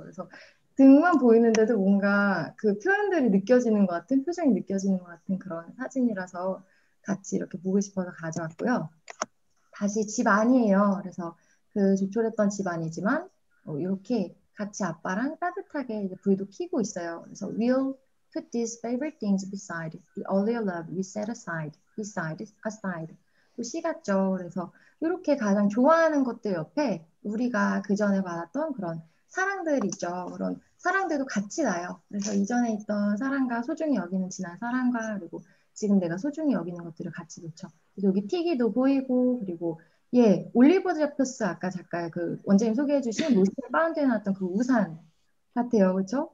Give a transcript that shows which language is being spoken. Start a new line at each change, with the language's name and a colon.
Korean: 그래서 등만 보이는데도 뭔가 그 표현들이 느껴지는 것 같은 표정이 느껴지는 것 같은 그런 사진이라서 같이 이렇게 보고 싶어서 가져왔고요. 다시 집 안이에요. 그래서 그 조촐했던 집 안이지만 이렇게 같이 아빠랑 따뜻하게 이제 불도 켜고 있어요.
English: 그래서 we'll put these favorite things beside the earlier love we set aside beside aside.
Korean: 또시 같죠. 그래서 이렇게 가장 좋아하는 것들 옆에 우리가 그 전에 받았던 그런 사랑들 있죠. 그런 사랑들도 같이 나요. 그래서 이전에 있던 사랑과 소중히 여기는 지난 사랑과 그리고 지금 내가 소중히 여기는 것들을 같이 놓죠. 여기 피기도 보이고 그리고 예 올리버 제프스 아까 작가 그 원장님 소개해 주신 로스 파운드에 놨던 그 우산 같아요. 그렇죠?